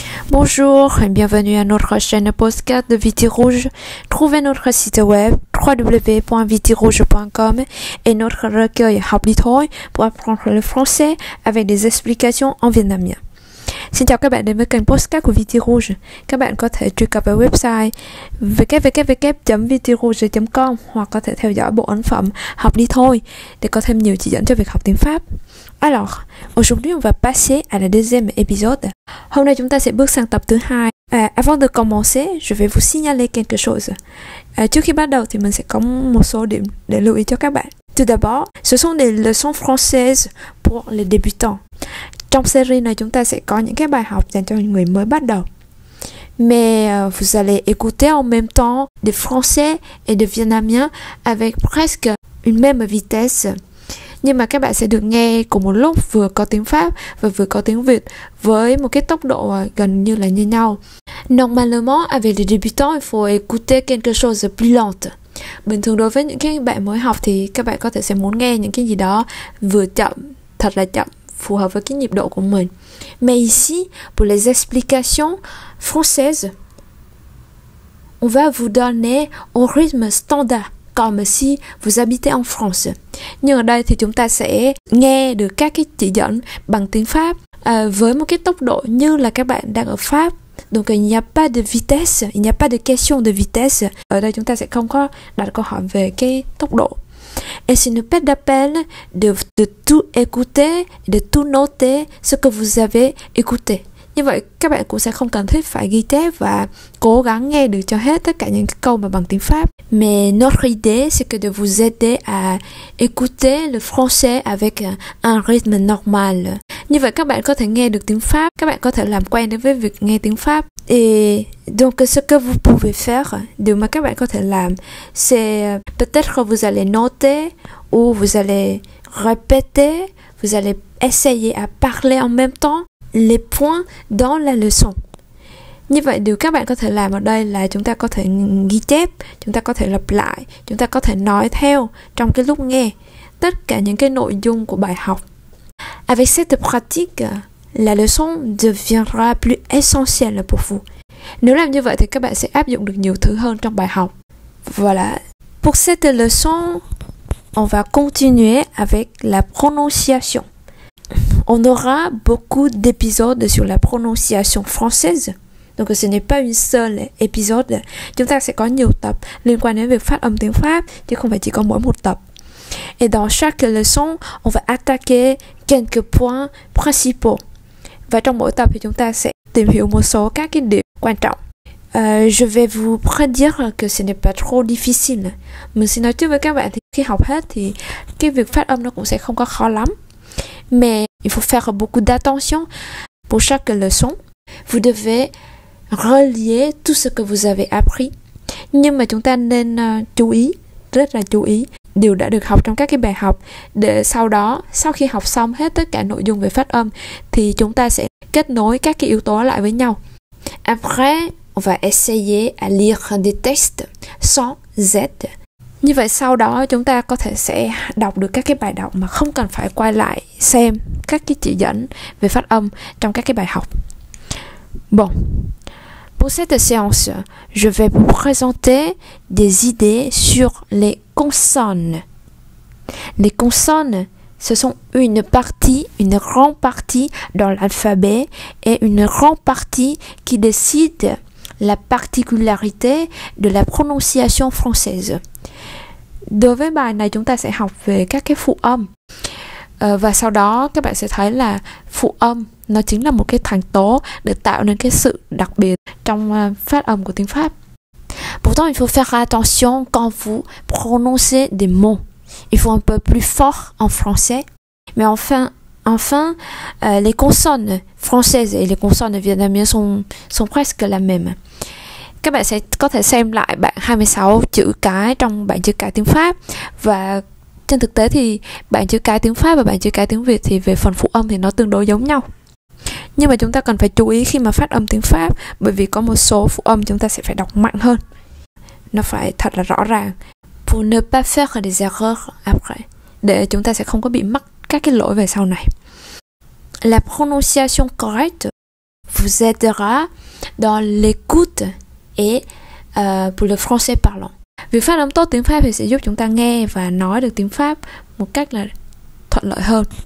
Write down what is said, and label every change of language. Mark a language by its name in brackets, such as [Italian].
[French] Bonjour et bienvenue à notre chaîne podcast de Viti Rouge. Trouvez notre site web www.vitirouge.com et notre recueil Habli Thoi pour apprendre le français avec des explications en vietnamien. [Vietnamese] Xin chào các bạn đến với kênh podcast của Viti Rouge. Các bạn có thể truy cập vào website www.vitirouge.com hoặc có thể theo dõi bộ ấn phẩm Habli Thoi để có thêm nhiều chỉ dẫn cho việc học tiếng Pháp. [French] Alors, aujourd'hui, on va passer à la deuxième épisode. [Vietnamese] Hôm nay, chúng ta sẽ bước sang tập thứ hai. [French] Avant de commencer, je vais vous signaler quelque chose. [Vietnamese] Trước khi bắt đầu, thì mình sẽ có một số điểm để lưu ý cho các bạn. [French] Tout d'abord, ce sont des leçons françaises pour les débutants. [Vietnamese] Trong série này, chúng ta sẽ có những cái bài học dành cho những người mới bắt đầu. [French] Mais vous allez écouter en même temps des français et des vietnamiens avec presque une même vitesse. [Vietnamese] Nhưng mà các bạn sẽ được nghe cùng một lúc vừa có tiếng Pháp và vừa có tiếng Việt với một cái tốc độ gần như là như nhau. [French] Normalement, avec les débutants, il faut écouter quelque chose de plus lente. [Vietnamese] Bình thường đối với những cái bạn mới học thì các bạn có thể sẽ muốn nghe những cái gì đó vừa chậm, thật là chậm, phù hợp với cái nhịp độ của mình. [French] Mais ici, pour les explications françaises, on va vous donner un rythme standard. Comme si vous habitez en France. [Vietnamese] Nhưng ở đây thì chúng ta sẽ nghe được các cái chỉ dẫn bằng tiếng Pháp với một cái tốc độ như là các bạn đang ở Pháp. [French] Donc il n'y a pas de vitesse, il n'y a pas de question de vitesse. [Vietnamese] Ở đây chúng ta sẽ không có đặt câu hỏi về cái tốc độ. [French] Et ce n'est pas d'appel de tout écouter, de tout noter ce que vous avez écouté. [Vietnamese] Như vậy các bạn cũng sẽ không cần thiết phải ghi chép và cố gắng nghe được cho hết tất cả những cái câu mà bằng tiếng Pháp. [French] Mais notre idée c'est que de vous aider à écouter le français avec un rythme normal. [Vietnamese] Như vậy các bạn có thể nghe được tiếng Pháp, các bạn có thể làm quen với việc nghe tiếng Pháp. [French] Et donc ce que vous pouvez faire, [Vietnamese] điều mà các bạn có thể làm, [French] c'est peut-être que vous allez noter ou vous allez répéter, vous allez essayer à parler en même temps les points dans la leçon. [Vietnamese] Như vậy, điều các bạn có thể làm ở đây là chúng ta có thể ghi chép, chúng ta có thể lặp lại, chúng ta có thể nói theo trong cái lúc nghe tất cả những cái nội dung của bài học. [French] Avec cette pratique, la leçon deviendra plus essentielle pour vous. [Vietnamese] Nếu làm như vậy thì các bạn sẽ áp dụng được nhiều thứ hơn trong bài học. [French] Voilà. Pour cette leçon, on va continuer avec la prononciation. On aura beaucoup d'épisodes sur la prononciation française. Donc ce n'est pas une seule épisode. [Vietnamese] Chúng ta sẽ có nhiều tập liên quan đến việc phát âm tiếng Pháp, chứ không phải chỉ có mỗi một tập. [French] Et dans chaque leçon, on va attaquer quelques points principaux. [Vietnamese] Và trong mỗi tập thì chúng ta sẽ tìm hiểu một số các cái điểm quan trọng. [French] Je vais vous prédire que ce n'est pas trop difficile. [Vietnamese] Mình xin nói trước với các bạn thì khi học hết thì cái việc phát âm nó cũng sẽ không có khó lắm. [French] Mais il faut faire beaucoup d'attention pour chaque leçon. Vous devez relier tout ce que vous avez appris. [Vietnamese] Nhưng mà chúng ta nên chú ý, rất là chú ý, điều đã được học trong các cái bài học. Để sau đó, sau khi học xong hết tất cả nội dung về phát âm, thì chúng ta sẽ kết nối các cái yếu tố lại với nhau. [French] Après, on va essayer à lire des textes sans Z. [Vietnamese] Như vậy sau đó chúng ta có thể sẽ đọc được các cái bài đọc mà không cần phải quay lại xem các cái chỉ dẫn về phát âm trong các cái bài học. [French] Bon, pour cette séance, je vais vous présenter des idées sur les consonnes. Les consonnes, ce sont une partie, une grande partie dans l'alphabet et une grande partie qui décide la particularité de la prononciation française. [Vietnamese] Đối với bài này chúng ta sẽ học về các cái phụ âm. Và sau đó các bạn sẽ thấy là phụ âm nó chính là một cái thành tố để tạo nên cái sự đặc biệt trong phát âm của tiếng Pháp. [French] Pourtant, il faut faire attention quand vous prononcez des mots. Il faut un peu plus fort en français. Mais enfin, les consonnes françaises et les consonnes vietnamiennes sont presque la même. [Vietnamese] Các bạn sẽ có thể xem lại bảng 26 chữ cái trong bảng chữ cái tiếng Pháp. Và trên thực tế thì bảng chữ cái tiếng Pháp và bảng chữ cái tiếng Việt thì về phần phụ âm thì nó tương đối giống nhau. Nhưng mà chúng ta cần phải chú ý khi mà phát âm tiếng Pháp, bởi vì có một số phụ âm chúng ta sẽ phải đọc mạnh hơn. Nó phải thật là rõ ràng. [French] Pour ne pas faire des erreurs après. [Vietnamese] Để chúng ta sẽ không có bị mắc các cái lỗi về sau này. [French] La prononciation correcte vous aidera dans l'écoute et pour le français parlant. [Vietnamese] Việc phát âm tốt tiếng Pháp thì sẽ giúp chúng ta nghe và nói được tiếng Pháp một cách là thuận lợi hơn.